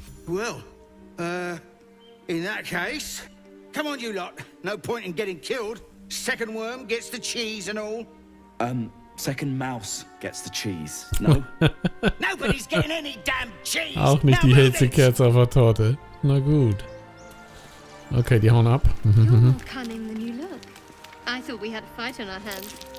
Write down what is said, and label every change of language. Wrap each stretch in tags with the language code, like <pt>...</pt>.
<en>Well, in that case, come on, you lot. No point in getting killed. Second worm gets the cheese and all. Second mouse gets the cheese. No. Nobody's getting any damn cheese.</en> <de>Auch nicht die hellste Kerze auf der Torte. Na gut. Okay, die hauen ab.</de> <en>You're more cunning than you look. I thought we had a fight on our hands.</en>